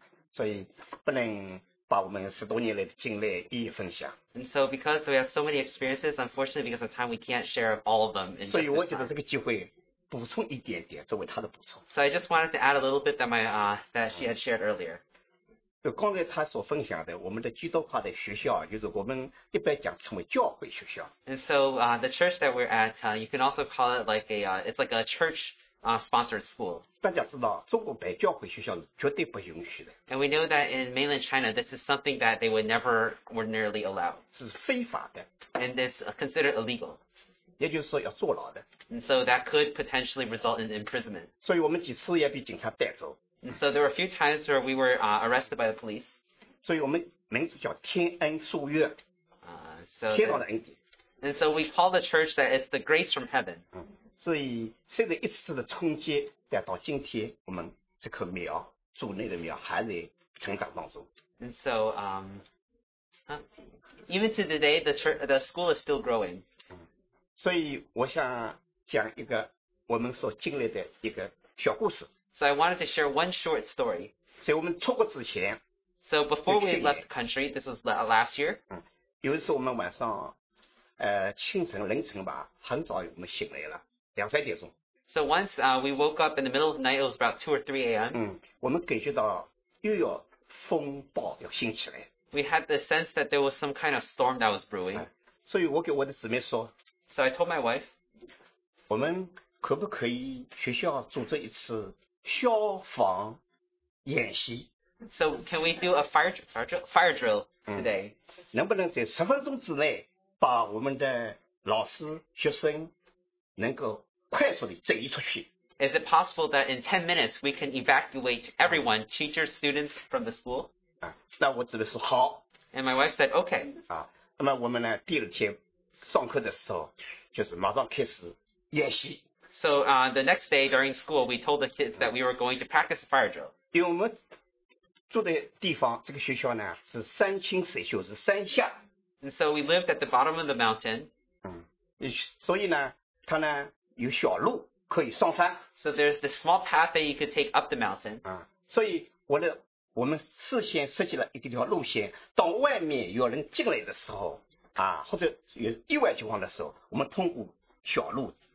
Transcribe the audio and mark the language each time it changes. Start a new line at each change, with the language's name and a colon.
Chinese: 所以不能把我们十多年来的经历一一分享。
English: And so because we have so many experiences, unfortunately because of time, we can't share all of them.
Chinese: 所以我觉得这个机会。补充一点点,
English: so I just wanted to add a little bit that my that she had shared earlier.
Chinese: 刚才她所分享的我们的基督化的学校就是我们一般讲称为教会学校。
English: And so the church that we're at, you can also call it like a it's like a church sponsored school.
Chinese: 大家知道中国办教会学校是绝对不允许的。
English: And we know that in mainland China, this is something that they would never ordinarily allow.
Chinese: 是非法的。
English: And it's considered illegal.
Chinese: 也就是说要坐牢的。
English: And so that could potentially result in imprisonment.
Chinese: 所以我们几次也被警察带走。
English: And so there were a few times where we were arrested by the police.
Chinese: 所以我们名字叫天恩素月。
English: And so we call the church that it's the grace from heaven.
Chinese: 所以现在一次的冲击带到今天我们这棵苗, 主内的苗还在, 成长当中。
English: And so, even to today, the school is still growing.
Chinese: 所以我想讲一个我们所经历的一个小故事。
English: So I wanted to share one short story.
Chinese: 所以我们出国之前。
English: So before we left the country, this was last year.
Chinese: 有一次我们晚上清晨凌晨吧，很早我们醒来了，两三点钟。
English: So once we woke up in the middle of the night, it was about 2 or 3 a.m.
Chinese: 我们感觉到又有风暴要兴起来。
English: We had the sense that there was some kind of storm that was brewing.
Chinese: 所以我给我的姊妹说。
English: So I told my wife.
Chinese: 我们可不可以学校组织一次消防演习？
English: So can we do a fire drill today?
Chinese: 能不能在十分钟之内把我们的老师学生能够快速地整理出去？
English: Is it possible that in 10 minutes we can evacuate everyone, teachers, students from the school?
Chinese: 那我姊妹说好。
English: And my wife said, okay.
Chinese: 那么我们呢第二天上课的时候就是马上开始演习。
English: So the next day during school, we told the kids that we were going to practice fire drill.
Chinese: 因为我们住的地方，这个学校呢，是山清水秀，是山下。
English: And so we lived at the bottom of the mountain.
Chinese: 所以呢，它呢有小路可以上山。
English: So there's this small path that you could take up the mountain.
Chinese: 所以我们事先设计了一条路线，当外面有人进来的时候，或者有意外情况的时候，我们通过小路。